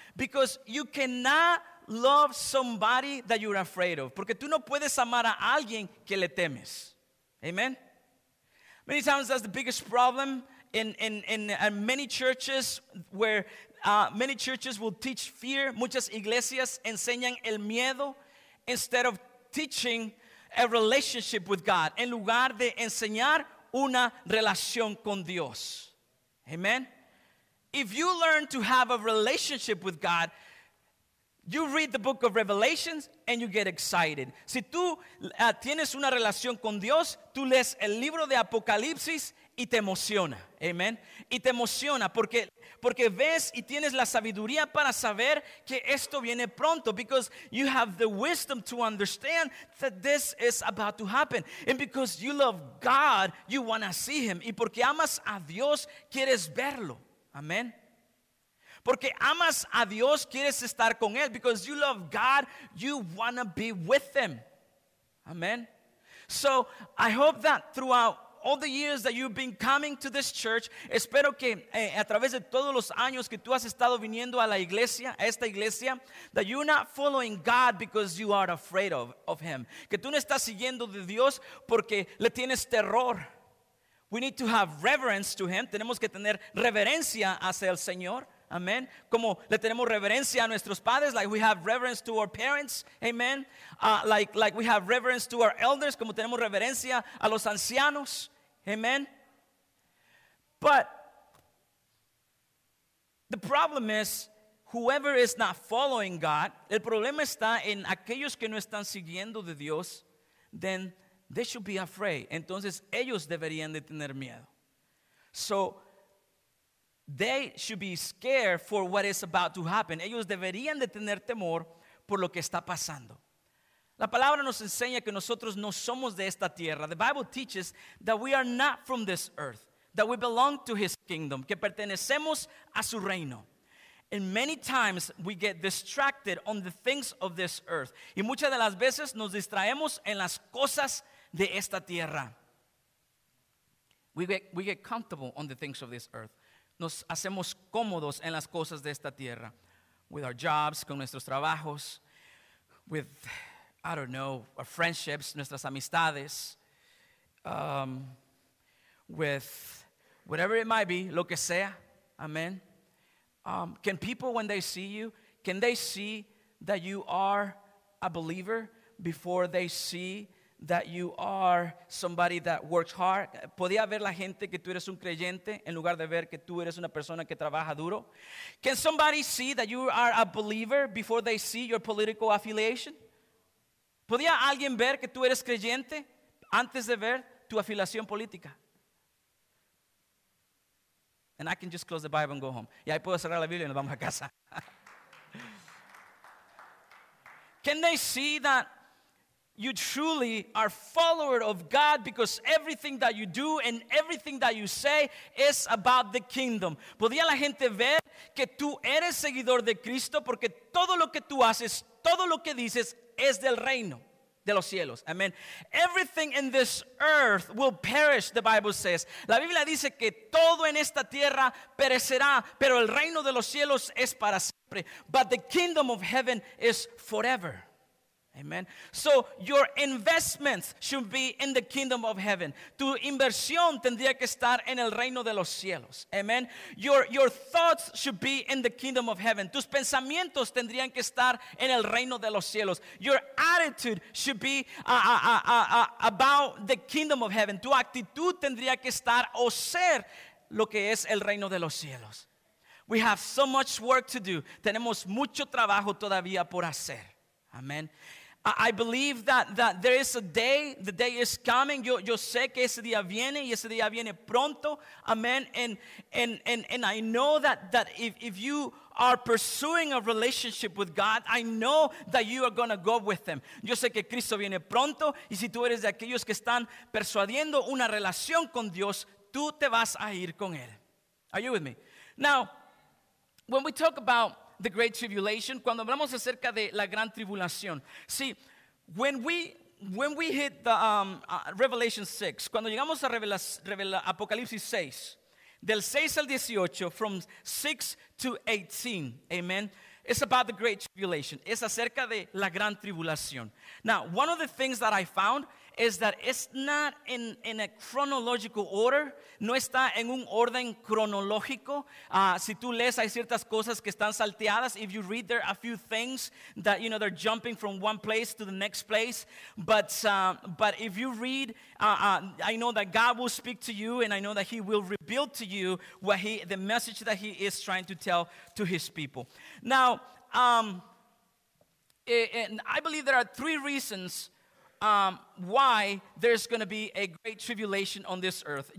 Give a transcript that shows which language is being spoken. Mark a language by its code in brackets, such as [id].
[en] Because you cannot love somebody that you're afraid of. [es] Porque tú no puedes amar a alguien que le temes. [en] Amen? Many times that's the biggest problem in many churches where many churches will teach fear. [es] Muchas iglesias enseñan el miedo [en] instead of teaching a relationship with God, [es] en lugar de enseñar una relación con Dios. Amen. [en] If you learn to have a relationship with God, you read the book of Revelations and you get excited. [es] Si tú tienes una relación con Dios, tú lees el libro de Apocalipsis y te emociona. Amen. Y te emociona porque ves y tienes la sabiduría para saber que esto viene pronto. [en] Because you have the wisdom to understand that this is about to happen. And because you love God, you want to see Him. [es] Y porque amas a Dios, quieres verlo. Amen. Porque amas a Dios, quieres estar con Él. [en] Because you love God, you want to be with Him. Amen. So I hope that throughout all the years that you've been coming to this church, [es] espero que a través de todos los años que tú has estado viniendo a la iglesia, a esta iglesia, [en] that you're not following God because you are afraid of Him. [es] Que tú no estás siguiendo de Dios porque le tienes terror. [en] We need to have reverence to Him. [es] Tenemos que tener reverencia hacia el Señor. Amen. Como le tenemos reverencia a nuestros padres, [en] like we have reverence to our parents. Amen. Like we have reverence to our elders, [es] como tenemos reverencia a los ancianos. [en] Amen. But the problem is, whoever is not following God, [es] el problema está en aquellos que no están siguiendo de Dios, [en] then they should be afraid. [es] Entonces ellos deberían de tener miedo. [en] So they should be scared for what is about to happen. [es] Ellos deberían de tener temor por lo que está pasando. La palabra nos enseña que nosotros no somos de esta tierra. [en] The Bible teaches that we are not from this earth, that we belong to His kingdom, [es] que pertenecemos a su reino. [en] And many times we get distracted on the things of this earth. [es] Y muchas de las veces nos distraemos en las cosas de esta tierra. [en] We get comfortable on the things of this earth. [es] Nos hacemos cómodos en las cosas de esta tierra. [en] With our jobs, [es] con nuestros trabajos. [en] With, I don't know, our friendships, [es] nuestras amistades. [en] With whatever it might be, [es] lo que sea. [en] Amen. Can people, when they see you, can they see that you are a believer before they see that you are somebody that works hard? [es] ¿Podía ver la gente que tú eres un creyente en lugar de ver que tú eres una persona que trabaja duro? [en] Can somebody see that you are a believer before they see your political affiliation? [es] ¿Podía alguien ver que tú eres creyente antes de ver tu afiliación política? [en] And I can just close the Bible and go home. [es] Y ahí puedo cerrar la Biblia y nos vamos a casa. [en] Can they see that you truly are follower of God because everything that you do and everything that you say is about the kingdom? [es] ¿Podría la gente ver que tú eres seguidor de Cristo porque todo lo que tú haces, todo lo que dices es del reino de los cielos? [en] Amen. Everything in this earth will perish, the Bible says. [es] La Biblia dice que todo en esta tierra perecerá, pero el reino de los cielos es para siempre. [en] But the kingdom of heaven is forever. [es] Amen. [en] So your investments should be in the kingdom of heaven. [es] Tu inversión tendría que estar en el reino de los cielos. Amen. [en] Your thoughts should be in the kingdom of heaven. [es] Tus pensamientos tendrían que estar en el reino de los cielos. [en] Your attitude should be about the kingdom of heaven. [es] Tu actitud tendría que estar o ser lo que es el reino de los cielos. [en] We have so much work to do. [es] Tenemos mucho trabajo todavía por hacer. [en] Amen. I believe that there is a day, the day is coming. [es] Yo sé que ese día viene y ese día viene pronto. [en] Amen. And I know that if you are pursuing a relationship with God, I know that you are going to go with him. [es] Yo sé que Cristo viene pronto, y si tú eres de aquellos que están persuadiendo una relación con Dios, tú te vas a ir con él. [en] Are you with me? Now, when we talk about the Great Tribulation, [es] cuando hablamos acerca de la Gran Tribulación. [en] See, when we hit the Revelation 6, [es] cuando llegamos a Apocalipsis 6, del 6 al 18, [en] from 6 to 18, amen, it's about the Great Tribulation. [es] Es acerca de la Gran Tribulación. [en] Now, one of the things that I found is that it's not in a chronological order. [es] No está en un orden cronológico. Si tú lees, hay ciertas cosas que están salteadas. [en] If you read, there are a few things that, you know, they're jumping from one place to the next place. But if you read, I know that God will speak to you, and I know that he will reveal to you the message that he is trying to tell to his people. Now, and I believe there are three reasons why there's going to be a great tribulation on this earth.